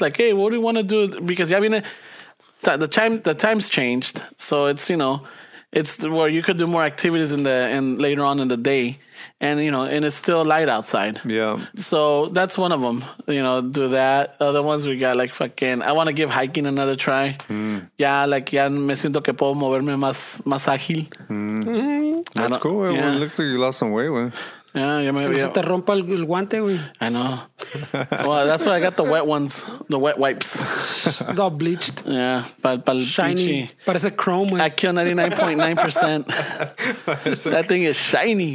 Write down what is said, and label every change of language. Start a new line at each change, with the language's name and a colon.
English: Like, hey, what do you want to do? Because
Spanish: ya viene,
English: the time's changed. So it's, you know, it's where you could do more activities in later on in the day. And, you know, and it's still light outside. Yeah. So that's one of them, you know, do that. Other ones we got like fucking, I want to give hiking another try. Yeah, like,
Spanish: ya me siento que puedo moverme más ágil.
English: That's cool. Yeah. Well, it looks like you lost some weight, man. Yeah, yeah, maybe.
Spanish: Se te rompa el guante, güey.
English: I know. Well, that's why I got the wet ones, the wet wipes. It's all bleached. Yeah, but shiny. But it's a chrome, güey. IQ 99.9%. That thing is shiny.